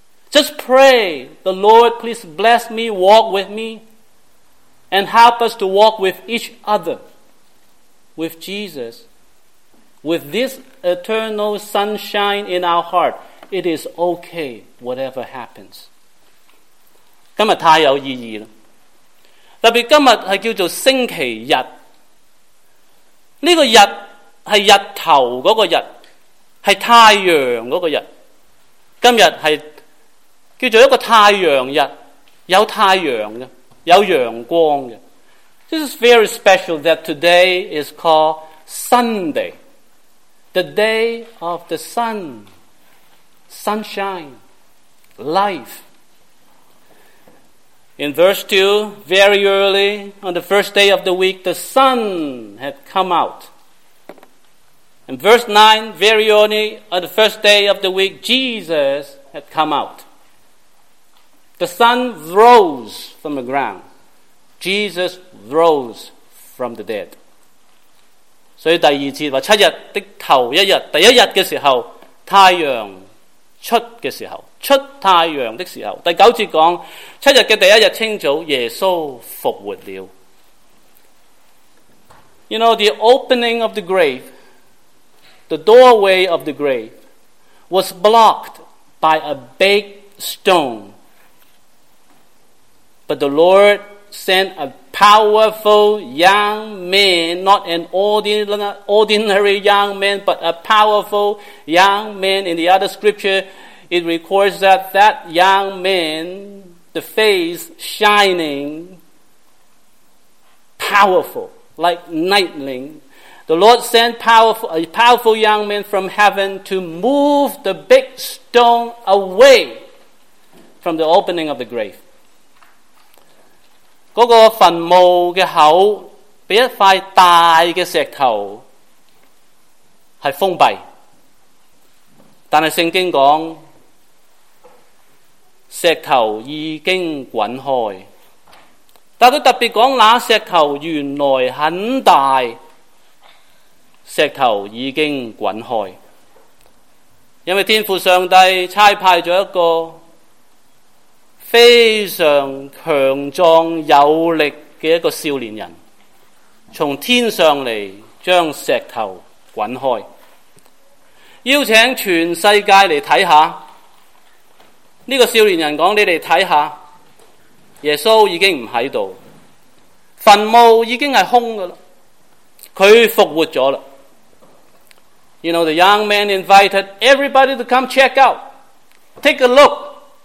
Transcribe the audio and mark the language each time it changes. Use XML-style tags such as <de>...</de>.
<en>Just pray, the Lord, please bless me, walk with me, and help us to walk with each other, with Jesus, with this eternal sunshine in our heart. It is okay, whatever happens.</en> <zh>今天太有意义了，特别今天是叫做星期日，这个日是日头那个日，是太阳那个日，今天是叫做一个太阳日，有太阳的，有阳光的。</zh> <en>This is very special that today is called Sunday, the day of the sun, sunshine, life. In verse 2, very early on the first day of the week, the sun had come out. In verse 9, very early on the first day of the week, Jesus had come out. The sun rose from the ground. Jesus rose from the dead.</en> <zh>所以第二节说，七日的头一日，第一日的时候，太阳出的时候，出太阳的时候。第九节讲，七日的第一日清早，耶稣复活了。</zh> <en>You know, the opening of the grave, the doorway of the grave, was blocked by a big stone. But the Lord sent a powerful young man, not an ordinary young man, but a powerful young man. In the other scripture, it records that that young man, the face shining, powerful, like lightning. The Lord sent a powerful young man from heaven to move the big stone away from the opening of the grave.</en> <zh>那个坟墓的口被一块大的石头是封闭，但是圣经讲石头已经滚开，但他特别讲那石头原来很大，石头已经滚开，因为天父上帝差派了一个非常强壮有力的一个少年人从天上来将石头滚开，邀请全世界来看看。这个少年人说，你们看看，耶稣已经不在这里，坟墓已经是空的了，他复活了。</zh> <en>You know, the young man invited everybody to come check out, take a look.</en>